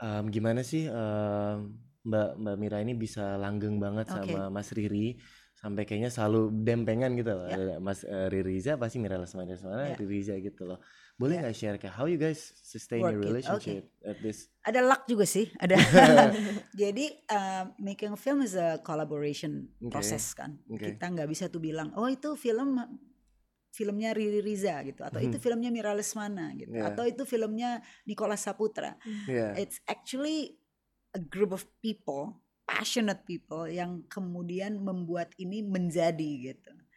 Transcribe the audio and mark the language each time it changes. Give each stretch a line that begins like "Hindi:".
Indonesian: Gimana sih Mbak Mira ini bisa langgeng banget sama Mas Riri sampai kayaknya selalu dempengan gitu loh. Mas Ririza pasti Mira Lesmana-Lesmana, Ririza gitu loh. Boleh gak
English: share kayak how you guys sustain your relationship at this?
Indonesian: Ada luck juga sih, ada.
English: Jadi making a film is a collaboration process kan.
Indonesian: Kita gak bisa tuh bilang, oh itu filmnya Riri Riza gitu. Atau itu filmnya Mira Lesmana gitu. Atau itu filmnya Nicholas Saputra.
English: It's actually a group of people, passionate people
Indonesian: yang kemudian membuat ini menjadi gitu.